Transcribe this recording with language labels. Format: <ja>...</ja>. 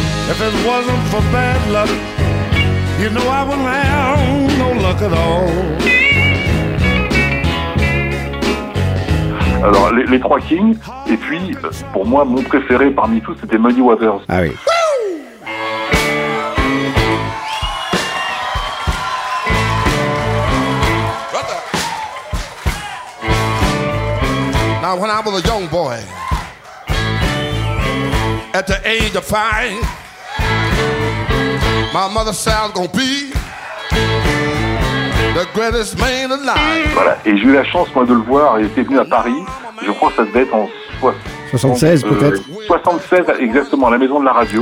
<en>If it wasn't for bad luck, you know I wouldn't have no luck at all.</en> <fr>Alors, les trois Kings, et puis, pour moi, mon préféré parmi tous, c'était Muddy Waters. Ah oui.</fr> <en>Now, when I was a young boy, at the age of five, my mother said I'm gonna be the greatest man alive.</en> <fr>Voilà, et j'ai eu la chance, moi, de le voir. Il était venu à Paris, je crois que ça devait être en 76, peut-être. 76, exactement, à la Maison de la Radio.</fr>